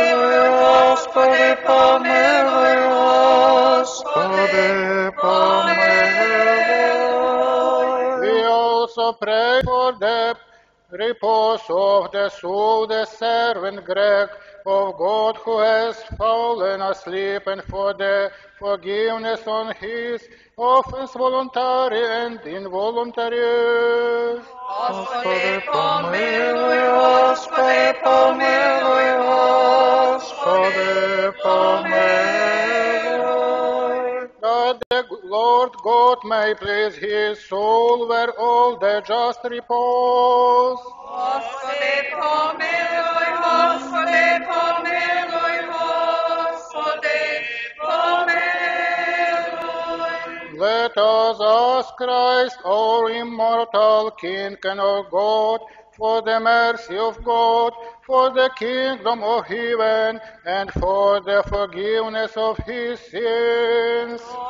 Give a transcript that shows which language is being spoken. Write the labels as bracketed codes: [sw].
[ru] Господи, помилуй, Господи, помилуй. [en] We also pray for the repose of the soul, the servant Greg, of God who has fallen asleep, and for the forgiveness on his offense, voluntary and involuntary. [ru] Господи, помилуй, Господи, помилуй, Господи, помилуй. [en] That the Lord God may please his soul where all the just repose. [ru] Господи, помилуй, Господи, помилуй, Господи, помилуй. [en] Let us ask Christ, our immortal King and our God, for the mercy of God, for the kingdom of heaven, and for the forgiveness of his sins.